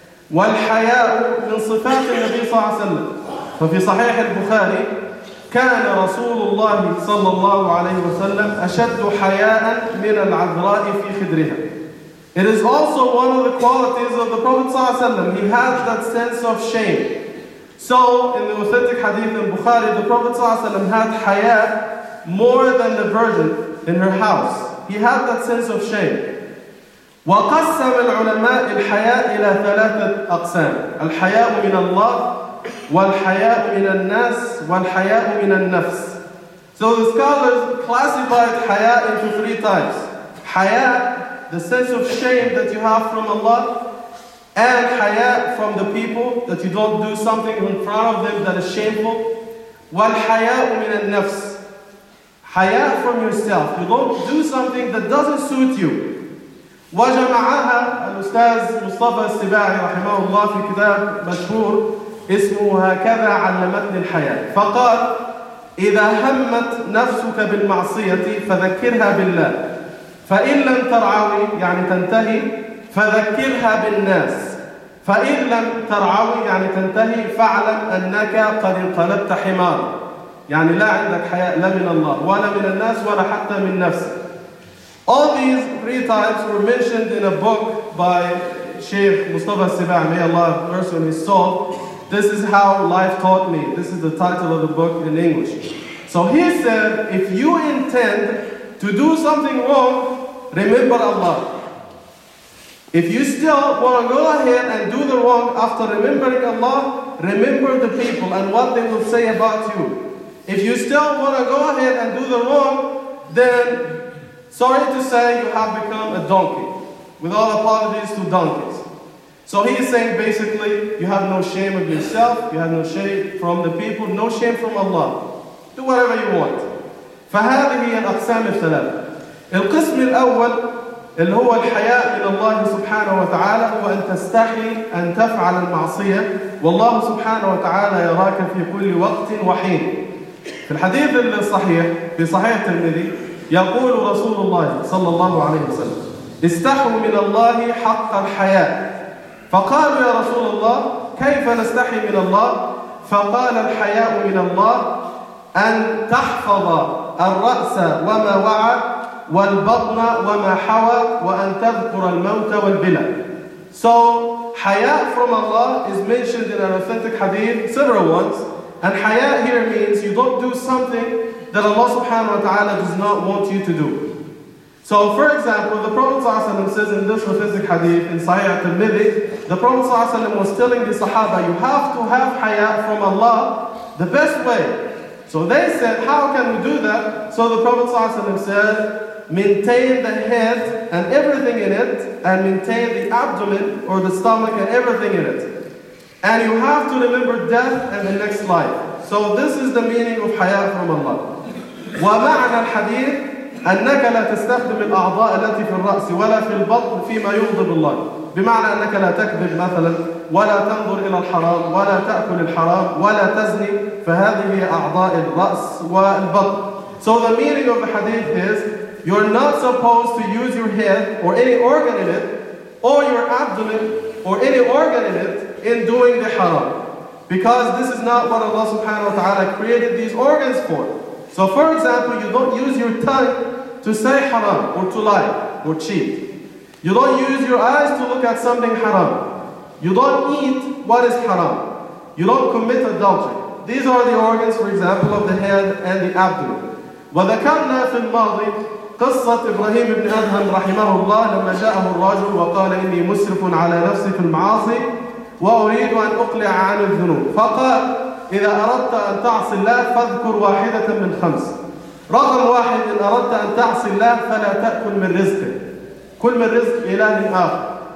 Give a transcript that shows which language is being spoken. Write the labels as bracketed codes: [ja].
[ar] وَالْحَيَاءُ مِنْ صِفَاتِ النَّبِي صَلَّى اللَّهُ عَلَيْهِ وَسَلَّمَ فَفِي صَحِيحِ الْبُخَارِي كَانَ رَسُولُ اللَّهِ صَلَّى اللَّهُ عَلَيْهِ وَسَلَّمَ أَشَدُّ حَيَاءً مِنَ الْعَذْرَاءِ فِي خِدْرِهَا. [en] It is also one of the qualities of the Prophet صلى الله عليه وسلم. He has that sense of shame. So in the authentic hadith in Bukhari, the Prophet صلى الله عليه وسلم had haya more than the virgin in her house. He had that sense of shame. [ar] وقسم العلماء الحياء إلى ثلاثة أقسام: الحياء من الله، والحياء من الناس، والحياء من النفس. [en] So the scholars classified حياء into three types: حياء, the sense of shame that you have from Allah, and حياء from the people that you don't do something in front of them that is shameful, [ar] والحياء من النفس, [en] حياء from yourself. You don't do something that doesn't suit you. [ar] وجمعها الأستاذ مصطفى السباعي رحمه الله في كتاب مشهور اسمه هكذا علمتني الحياة فقال إذا همت نفسك بالمعصية فذكرها بالله فإن لم ترعوي يعني تنتهي فذكرها بالناس فإن لم ترعوي يعني تنتهي فاعلم أنك قد انقلبت حمار يعني لا عندك حياة لا من الله ولا من الناس ولا حتى من نفسك. [en] All these three types were mentioned in a book by Sheikh Mustafa Sibah, may Allah mercy on his soul. This is how life taught me. This is the title of the book in English. So he said, if you intend to do something wrong, remember Allah. If you still want to go ahead and do the wrong after remembering Allah, remember the people and what they will say about you. If you still want to go ahead and do the wrong, then sorry to say, you have become a donkey. With all apologies to donkeys. So he is saying basically, you have no shame of yourself, you have no shame from the people, no shame from Allah. Do whatever you want. [ar] فهذه هي الأقسام الثلاثة. القسم الأول اللي هو الحياء من الله سبحانه وتعالى هو أن تستحي أن تفعل المعصية والله سبحانه وتعالى يراك في كل وقت وحين. في الحديث الصحيح في صحيح الترمذي يقول رسول الله صلى الله عليه وسلم استحوا من الله حق الحياء فقالوا يا رسول الله كيف نستحي من الله فقال الحياء من الله أن تحفظ الرأس وما وعى والبطن وما حوى وأن تذكر الموت والبلى. [en] So حياء from Allah is mentioned in an authentic hadith several ones, and حياء here means you don't do something that Allah subhanahu wa ta'ala does not want you to do. So for example, the Prophet sallallahu alayhi wa sallam says in this authentic hadith, in Sahih al-Tirmidhi, the Prophet sallallahu alayhi wa sallam was telling the Sahaba, you have to have haya from Allah the best way. So they said, how can we do that? So the Prophet sallallahu alayhi wa sallam said, maintain the head and everything in it, and maintain the abdomen or the stomach and everything in it. And you have to remember death and the next life. So this is the meaning of حياء from Allah. [ar] ومعنى الحديث أنك لا تستخدم الأعضاء التي في الرأس ولا في البطن فيما يغضب الله. بمعنى أنك لا تكذب مثلا ولا تنظر إلى الحرام ولا تأكل الحرام ولا تزني فهذه هي أعضاء الرأس والبطن. [en] So the meaning of the hadith is you're not supposed to use your head or any organ in it or your abdomen or any organ in it in doing the haram. Because this is not what Allah subhanahu wa ta'ala created these organs for. So for example, you don't use your tongue to say haram, or to lie, or cheat. You don't use your eyes to look at something haram. You don't eat what is haram. You don't commit adultery. These are the organs, for example, of the head and the abdomen. [ar] وَذَكَرْنَا فِي الْمَاضِي قَصَّةِ إِبْرَهِيمِ بْنِ أَدْهَمْ رَحِمَهُ اللَّهِ لَمَّا جَاءَهُ الرَّجُلُ وَقَالَ إِنِّي مُسْرِفٌ عَلَى نَفْسِي فِي الْمَعَاصِي وأريد أن أقلع عن الذنوب فقال إذا أردت أن تعصي الله فاذكر واحدة من خمس رقم واحد إن أردت أن تعصي الله فلا تأكل من رزقك كل من رزق إله آخر